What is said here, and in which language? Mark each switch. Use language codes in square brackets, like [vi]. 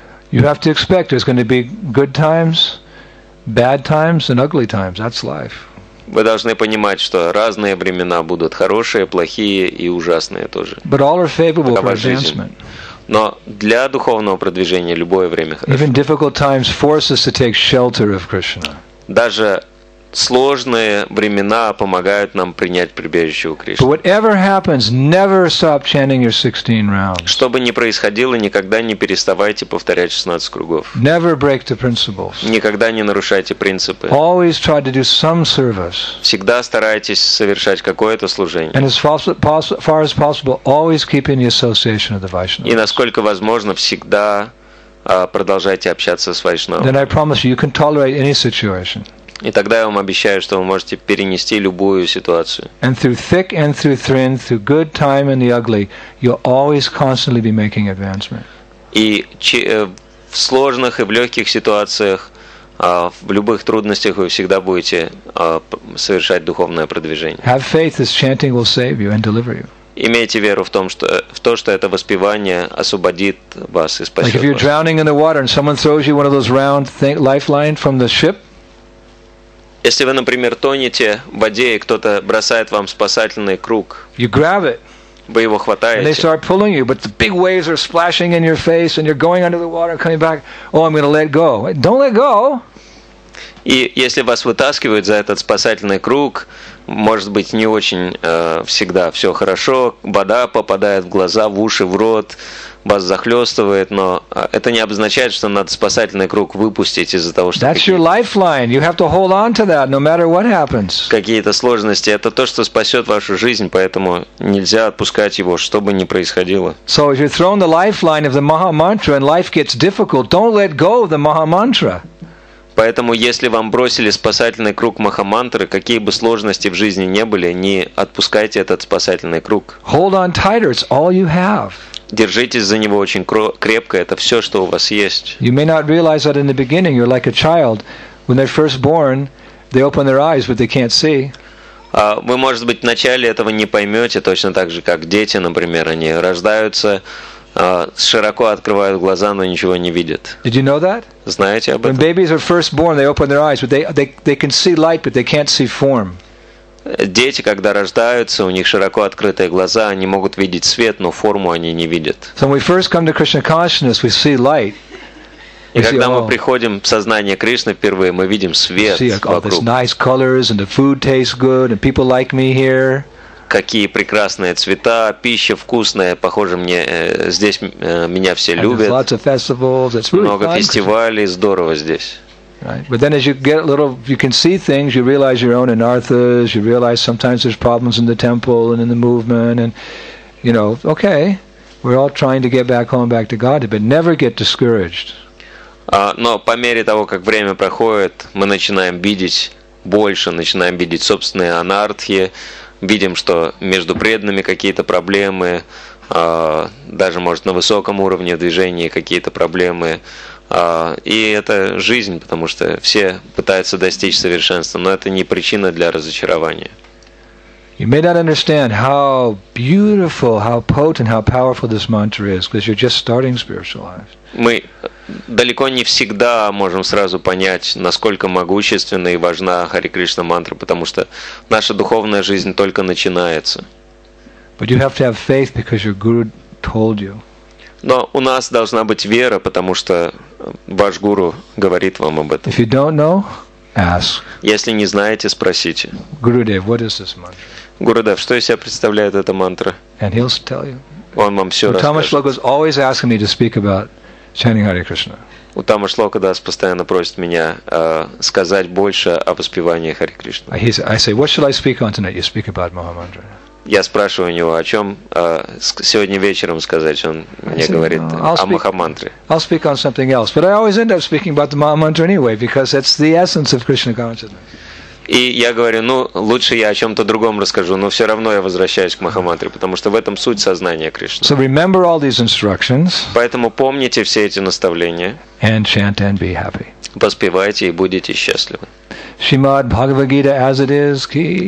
[en] You have to expect there's going to be good times, bad times and ugly times. That's life. [ru] Вы должны понимать, что разные времена будут, хорошие, плохие и ужасные тоже. [en] But all are favorable for advancement. [ru] Но для духовного продвижения любое время хорошо. [en] Even difficult times force us to take shelter of Krishna. [ru] Даже сложные времена помогают нам принять прибежище у Кришны. [en] But whatever happens, never stop chanting your 16 rounds. [ru] Что бы ни происходило, никогда не переставайте повторять 16 кругов. [en] Never break the principles. [ru] Никогда не нарушайте принципы. [en] Always try to do some service. [ru] Всегда старайтесь совершать какое-то служение. [en] And as far as possible, always keep in the association of the Vaishnavas. [ru] И насколько возможно, всегда продолжайте общаться с Вайшнавами. [en] Then I promise you, you can tolerate any situation. [ru] И тогда я вам обещаю, что вы можете перенести любую ситуацию. [en] And through thick and through thin, through good time and the ugly, you'll always constantly be making advancement. [ru] И в сложных и в легких ситуациях, в любых трудностях вы всегда будете совершать духовное продвижение. [en] Have faith that chanting will save you and deliver you. [ru] Имейте веру в то, что это воспевание освободит вас и спасет вас. [en] Like if you're drowning in the water and someone throws you one of those round lifeline from the ship. [ru] Если вы, например, тонете в воде, и кто-то бросает вам спасательный круг, [en] you grab it. [ru] вы его хватаете. [en] And they start pulling you, but the big waves are splashing in your face, and you're going under the water, coming back. Oh, I'm going to let go. Don't let go. [ru] И если вас вытаскивают за этот спасательный круг, может быть, не очень всегда все хорошо, вода попадает в глаза, в уши, в рот, вас захлестывает, но это не обозначает, что надо спасательный круг выпустить из-за того, что [en] That's your lifeline. You have to hold on to that, no matter what happens. [ru] Какие-то сложности. Это то, что спасет вашу жизнь, поэтому нельзя отпускать его, что бы ни происходило. [en] So if you're thrown the lifeline of the Maha Mantra and life gets difficult, don't let go of the Maha Mantra. [ru] Поэтому, если вам бросили спасательный круг Махамантры, какие бы сложности в жизни ни были, не отпускайте этот спасательный круг. [en] Hold on tighter, it's all you have. [ru] Держитесь за него очень крепко, это все, что у вас есть. [en] You may not realize that in the beginning, you're like a child. When they're first born, they open their eyes, but they can't see. [ru] Вы, может быть, вначале этого не поймете, точно так же, как дети, например, они рождаются, широко открывают глаза, но ничего не видят. [en] Did you know that? [ru] Знаете об этом? [en] When babies are first born, they open their eyes, but they can see light, but they can't see form. [ru] Дети, когда рождаются, у них широко открытые глаза, они могут видеть свет, но форму они не видят. [en] So when we first come to Krishna consciousness, we see light. [ru] И когда мы приходим в сознание Кришны впервые, мы видим свет вокруг. [en] See all these nice colors, and the food tastes good, and people like me here. [ru] Какие прекрасные цвета, пища вкусная, похоже, мне здесь меня все любят. [en] Lots of festivals, it's really [ru] много фестивалей, здорово здесь. [en] Right. But then as you get a little, you can see things, you realize you're own anarthas, you realize sometimes there's problems in the temple and in the movement, and you know, okay, we're all trying to get back home, back to God, but never get discouraged. [ru] Но по мере того, как время проходит, мы начинаем видеть больше, начинаем видеть собственные анархии. Видим, что между преданными какие-то проблемы, даже, может, на высоком уровне движения какие-то проблемы. И это жизнь, потому что все пытаются достичь совершенства, но это не причина для разочарования. [en] You may not understand how beautiful, how potent, how powerful this mantra is, because you're just starting spiritual life. [ru] Мы далеко не всегда можем сразу понять, насколько могущественна и важна Хари Кришна мантра, потому что наша духовная жизнь только начинается. [en] But you have to have faith because your guru told you. [ru] Но у нас должна быть вера, потому что ваш гуру говорит вам об этом. [en] If you don't know, ask. [ru] Если не знаете, спросите. [en] Gurudev, what is this mantra? [ru] Gurudev, что из себя представляет эта мантра? [en] And he'll tell you. [ru] Он вам все расскажет. [en] Uttama Shloka is always asking me to speak about chanting Hare Krishna. [ru] Uttama Shloka das постоянно просит меня сказать больше о воспевании Хари Кришны. [en] I say, what should I speak on tonight? You speak about Maha Mantra. [ru] Я спрашиваю у него, о чем сегодня вечером сказать. Он мне говорит о Махамантре. [en] I'll speak on something else. But I always end up speaking about the Mahamantra anyway, because that's the essence of Krishna consciousness. [ru] И я говорю, ну, лучше я о чем-то другом расскажу, но все равно я возвращаюсь к Махамантре, потому что в этом суть сознания Кришны. [en] So remember all these instructions. [ru] Поэтому помните все эти наставления. [en] And chant and be happy. [ru] Поспевайте и будете счастливы. [en] Shrimad Bhagavad Gita as it is ki.